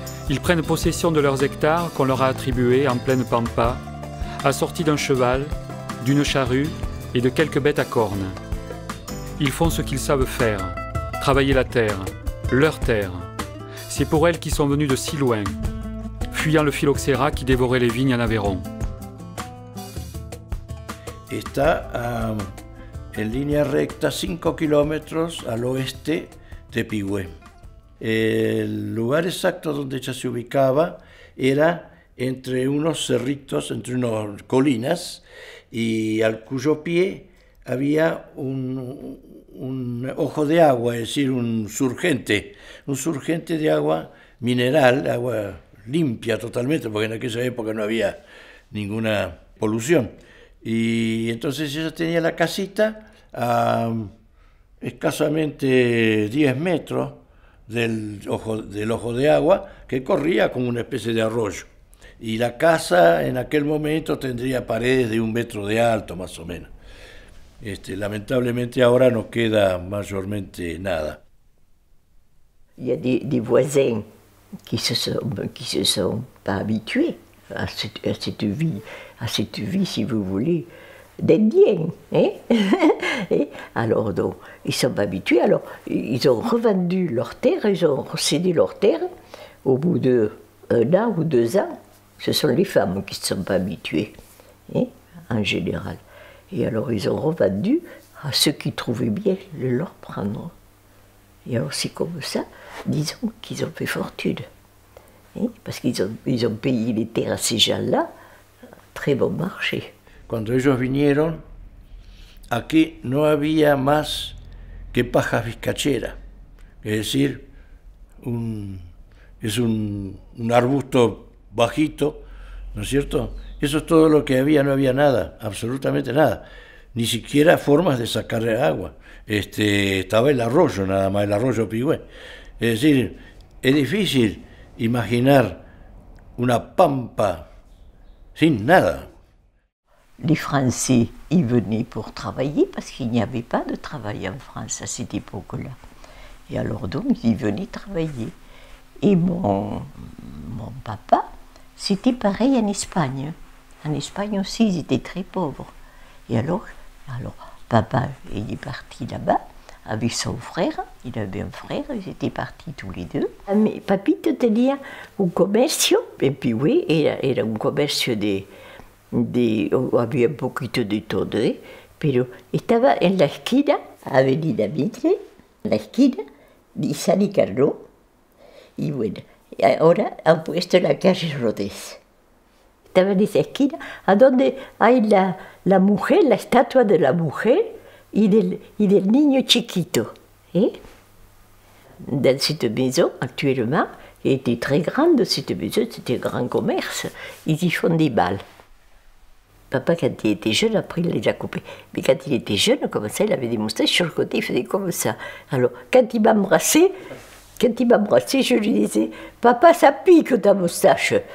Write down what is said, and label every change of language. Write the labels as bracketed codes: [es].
[fr] Ils prennent possession de leurs hectares qu'on leur a attribués en pleine pampa, assortis d'un cheval, d'une charrue et de quelques bêtes à cornes. Ils font ce qu'ils savent faire, travailler la terre, leur terre. C'est pour elles qu'ils sont venus de si loin, fuyant le phylloxéra qui dévorait les vignes en Aveyron. [es] Está a en línea recta 5 kilómetros al oeste de Pigüé. El lugar exacto donde ella se ubicaba era entre unos cerritos, entre unas colinas, y al cuyo pie había un ojo de agua, es decir, un surgente de agua mineral, agua limpia totalmente, porque en aquella época no había ninguna polución. Y entonces ella tenía la casita a escasamente 10 metros del ojo de agua, que corría como una especie de arroyo. Y la casa en aquel momento tendría paredes de un metro de alto, más o menos. Lamentablemente ahora no queda mayormente nada. [fr] Il y a des voisins qui se sont pas habitués à cette vie, si vous voulez, d'Indiens. Hein? Et alors, donc, ils sont pas habitués. Alors, ils ont revendu leur terre, ils ont cédé leur terre. Au bout d'un an ou deux ans, ce sont les femmes qui ne sont pas habituées, hein, en général. Et alors, ils ont revendu à ceux qui trouvaient bien le leur prendre. Et alors, c'est comme ça, disons qu'ils ont fait fortune. Hein, parce qu'ils ont payé les terres à ces gens-là, très bon marché. Quand ils [es] vinieron, aquí no había más que pajas vizcachera. Es decir, es un arbusto bajito, ¿no es cierto? Eso es todo lo que había, no había nada, absolutamente nada. Ni siquiera formas de sacar el agua. Estaba el arroyo, nada más, el arroyo Pigüé. Es decir, es difícil imaginar una pampa sin nada. [fr] Les Français y venaient pour travailler parce qu'il n'y avait pas de travail en France à cette époque-là. Et alors donc, ils venaient travailler. Et mon papa, c'était pareil en Espagne. En Espagne aussi, ils étaient très pauvres. Et alors papa, il est parti là-bas avec son frère. Il avait un frère, ils étaient partis tous les deux. Mais papy tenait un commerce. Et puis oui, il a un commerce on avait un petit peu de tonnerre. Mais il était [es] en la esquina, [fr] avenue d'Amitié, [es] la esquina de [fr] San Icarlo. Et voilà. [es] Et ahora han puesto la calle Rodés. Estaba en esa esquina, a donde hay la mujer, la estatua de la mujer y del niño chiquito. ¿Eh? [fr] Dans cette maison, actuellement, qui était très grande, cette maison, c'était un grand commerce, ils y font des balles. Papa, quand il était jeune, après, il les a coupés. Mais quand il était jeune, comme ça, il avait des moustaches sur le côté, il faisait comme ça. Alors, quand il m'embrassait, je lui disais, « Papa, ça pique ta moustache.